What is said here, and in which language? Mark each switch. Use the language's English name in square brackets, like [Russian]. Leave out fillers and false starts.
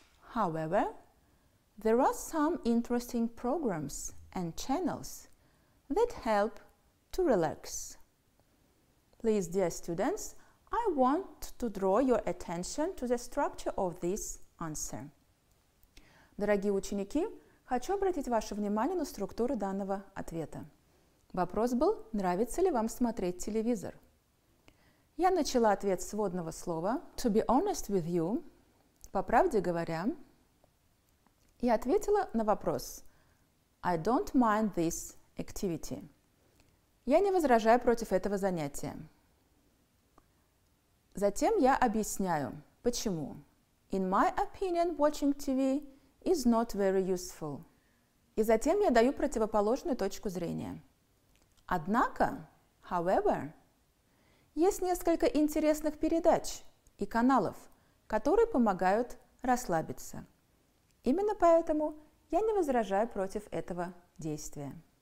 [English] However, there are some interesting programs and channels that help to relax. Please, dear students, I want to draw your attention to the structure of this answer. [Russian] Дорогие ученики, хочу обратить ваше внимание на структуру данного ответа. Вопрос был, нравится ли вам смотреть телевизор? Я начала ответ с вводного слова [English] «to be honest with you», [Russian] по правде говоря, и ответила на вопрос [English] «I don't mind this activity». [Russian] Я не возражаю против этого занятия. Затем я объясняю, почему. [English] In my opinion, watching TV is not very useful. [Russian] И затем я даю противоположную точку зрения. Однако, however, есть несколько интересных передач и каналов, которые помогают расслабиться. Именно поэтому я не возражаю против этого действия.